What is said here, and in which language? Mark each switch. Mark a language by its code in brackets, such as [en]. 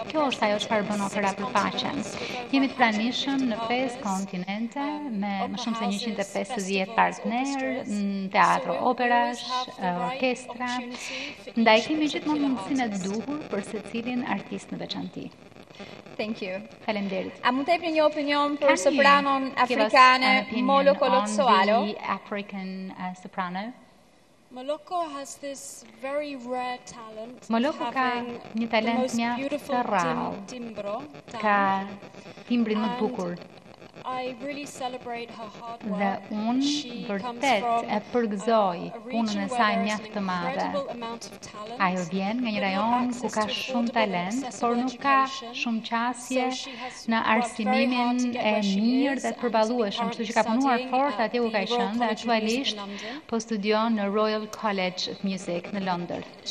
[sq] Kjo është ajo që farë bënë opera për faqen. Jemi të pranishëm në 5 kontinente, me më shumë se 150 partner, teatro operash, orkestra, nda e kemi gjithë më mundësime duhur për se cilin artist në veçanti. [en] Thank you. [sq] Faleminderit. A mund të jepni një opinion për sopranon afrikane Molo Colozzoalo? [en] The African soprano. Moloko has this very rare talent. [sq] Moloko ka një talent mjaft të rrallë. [it] Timbro, [sq] ka timbrin më të bukur. [en] I really celebrate her hard work. [sq] Dhe unë vërtet e përgëzoj punën e saj mjaft të madhe. Ajo vjen nga një rajon ku ka shumë talent, por nuk ka shumë qasje në arsimimin e mirë dhe të përballueshëm, kështu që ka punuar fort atje ku ka qenë dhe aktualisht po studion në Royal College of Music në Londër.